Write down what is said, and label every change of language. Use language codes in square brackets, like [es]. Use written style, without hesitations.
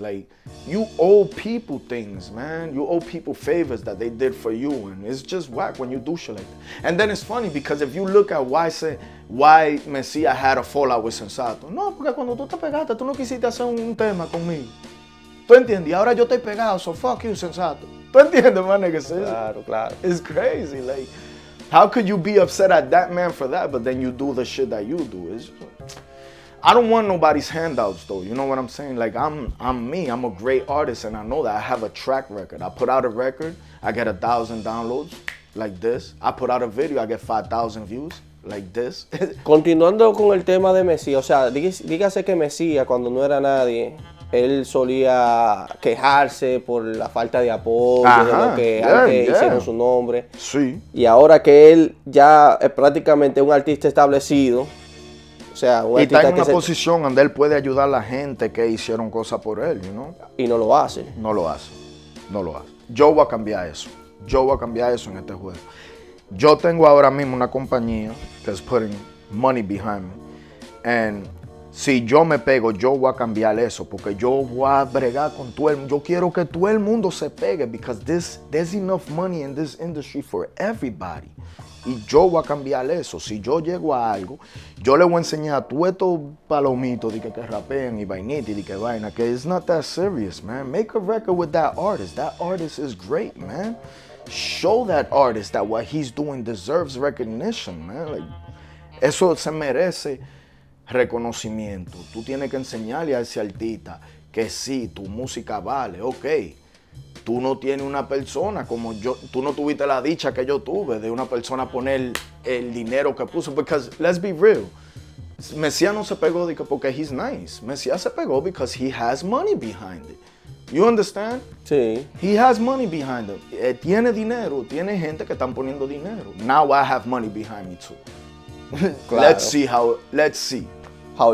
[en] Like, you owe people things, man. You owe people favors that they did for you. And it's just whack when you do shit like that. And then it's funny, because if you look at why Mesía had a fallout with Sensato. [es] No, porque cuando tú te pegaste, tú no quisiste hacer un tema conmigo. ¿Tú entiendes? Ahora yo estoy pegado, [en] so fuck you, [es] Sensato. ¿Tú entiendes, man? Claro, claro. [en] It's crazy, like, how could you be upset at that man for that, but then you do the shit that you do? It's just, I don't want nobody's handouts, though, you know what I'm saying? Like, I'm me, I'm a great artist, and I know that I have a track record. I put out a record, I get 1,000 downloads, like this. I put out a video, I get 5,000 views. Like this. [es] Continuando con el tema de Mesía, o sea, dígase que Mesía, cuando no era nadie, él solía quejarse por la falta de apoyo, ajá, de lo que hicieron su nombre. Sí. Y ahora que él ya es prácticamente un artista establecido, o sea, un artista está en una posición donde él puede ayudar a la gente que hicieron cosas por él, you know? Y no lo hace. No lo hace. No lo hace. Yo voy a cambiar eso. Yo voy a cambiar eso en este juego. Yo tengo ahora mismo una compañía [en] that's putting money behind me. [es] And si yo me pego, yo voy a cambiar eso porque yo voy a bregar con todo el mundo. Yo quiero que todo el mundo se pegue [en] because there's enough money in this industry for everybody. [es] Y yo voy a cambiar eso. Si yo llego a algo, yo le voy a enseñar a todos estos palomitos de que rapean y vainita y de que vaina. [en] Que it's not that serious, man. Make a record with that artist. That artist is great, man. Show that artist that what he's doing deserves recognition, man. [es] Like, eso se merece reconocimiento. Tú tienes que enseñarle a ese artista que sí, tu música vale, ok. Tú no tienes una persona como yo. Tú no tuviste la dicha que yo tuve de una persona poner el dinero que puso. [en] Because, let's be real. Mesía [es] no se pegó porque [en] he's nice. Mesía [es] se pegó [en] because he has money behind it. You understand? [es] Sí. [en] He has money behind him. [es] Tiene dinero. Tiene gente que están poniendo dinero. [en] Now I have money behind me too. [es] Claro. [en] Let's see how